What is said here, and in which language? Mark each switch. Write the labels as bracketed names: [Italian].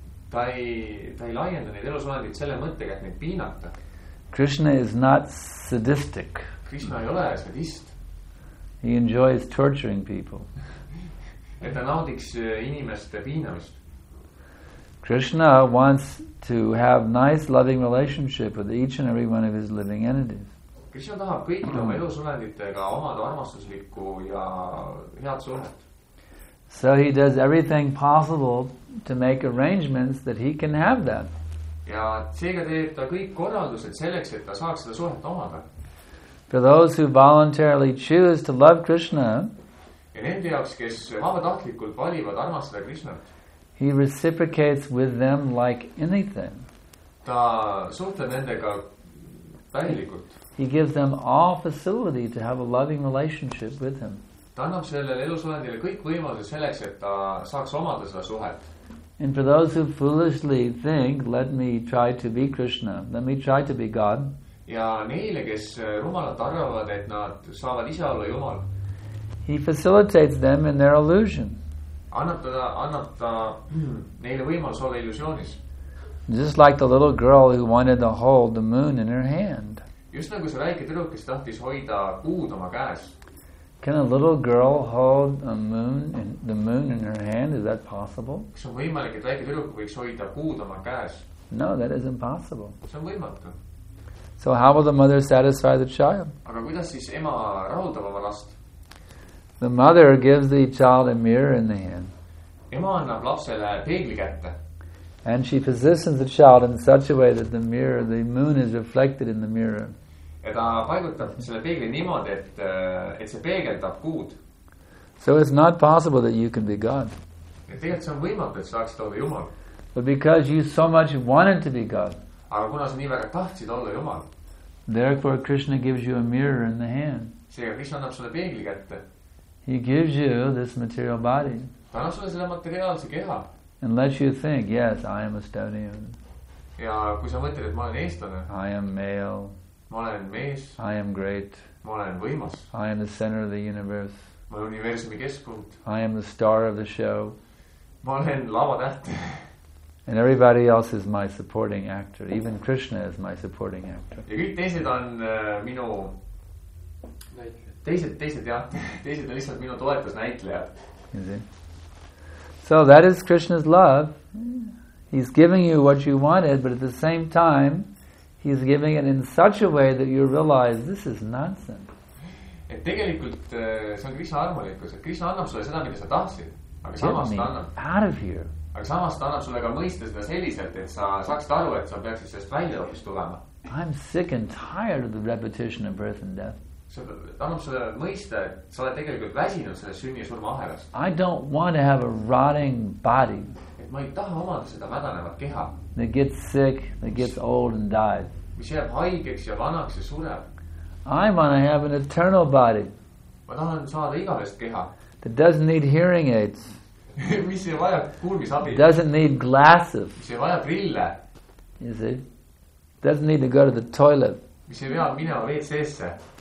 [Estonian] Ta ei laienda neid elusolendid selle mõttega, et neid piinata. [English] Krishna is not sadistic. [Estonian] Krishna ei ole sadist. [English] He enjoys torturing people. [Estonian] Et ta naudiks inimeste piinamist. [English] Krishna wants to have nice loving relationship with each and every one of his living entities. [Estonian] Krishna tahab kõik oma elusolenditega omada armastuslikku ja head suhet. [English] So he does everything possible to make arrangements that he can have that. [Estonian] Ja seega teeb ta kõik korraldused selleks, et ta saaks seda suhet omada. [English] For those who voluntarily choose to love Krishna, [Estonian] ja nende jaoks, kes vabatahtlikult valivad armastada Krishnat. [English] He reciprocates with them like anything. [Estonian] Ta suhtleb nendega täielikult. [English] He gives them all facility to have a loving relationship with him. [Estonian] Ta annab sellele elusolendile kõik võimalused selleks, et ta saaks omada seda suhet. [English] And for those who foolishly think, let me try to be Krishna, let me try to be God. [Estonian] Ja neile, kes rumalat arvavad, et nad saavad ise olla Jumal. [English] He facilitates them in their illusion. [Estonian] Annab ta neile võimalus olla illusioonis. [English] Just like the little girl who wanted to hold the moon in her hand. [Estonian] Just nagu see väike tüdruk, kes tahtis hoida kuud oma käes. [English] Can a little girl hold the moon in her hand? Is that possible? [Estonian] See on võimalik, et väike tüdruk võiks hoida kuud oma käes. [English] No, that is impossible. [Estonian] See on võimatu. [English] So how will the mother satisfy the child? [Estonian] Aga kuidas siis ema rahuldab oma last? [English] The mother gives the child a mirror in the hand. [Estonian] Ema annab lapsele peegli kätte. [English] And she positions the child in such a way that the mirror, the moon is reflected in the mirror. [Estonian] Ja ta paigutab selle peegli niimoodi, et see peegeldab kuud. [English] So it's not possible that you can be God. [Estonian] Ja tegelikult see on võimalt, et saaks olla Jumal. [English] But because you so much wanted to be God. [Estonian] Aga kuna sa nii väga tahtsid olla Jumal. [English] Therefore Krishna gives you a mirror in the hand. [Estonian] See Krishna annab sulle peegli kätte. [English] He gives you this material body. [Estonian] Ta annab sulle selle materiaalse keha. [English] And lets you think, yes, I am Estonian. [Estonian] Ja kui sa mõtled, et ma olen eestlane. [English] I am male. [Estonian] Ma olen mees. [English] I am great. [Estonian] Ma olen võimas. [English] I am the center of the universe. [Estonian] Ma olen universumi keskpunkt. [English] I am the star of the show. [Estonian] Ma olen lava täht. [English] And everybody else is my supporting actor. Even Krishna is my supporting actor. [Estonian] Ja kõik teised on minu teised on lihtsalt minu toetus näitlejad. [English] So that is Krishna's love. He's giving you what you wanted, but at the same time, he's giving it in such a way that you realize this is nonsense. [Estonian] Et tegelikult see on Krishna armulikus. Krishna annab sulle seda, mida sa tahtsid. Aga samas ta annab. [English] Out of here. [Estonian] Aga samas ta annab sulle ka mõista seda selliselt, et sa saaksid aru, et sa peaksid sellest välja hoopis tulema. [English] I'm sick and tired of the repetition of birth and death. [Estonian] Ta annab sulle mõista, et sa oled tegelikult väsinud selle sünni ja surma ahelast. [English] I don't want to have a rotting body. [Estonian] Et ma ei taha omada seda mädanevat keha. [English] That gets sick, that gets old and dies. [Estonian] Mis jääb haigeks ja vanaks ja sureb. [English] I want to have an eternal body. [Estonian] Ma tahan saada igavest keha. [English] That doesn't need hearing aids. [Estonian] Mis ei vaja kuulmisabi. [English] Doesn't need glasses. [Estonian] Mis ei vaja brille. [English] You see? Doesn't need to go to the toilet. [Estonian] Mis ei vaja minema WC-sse.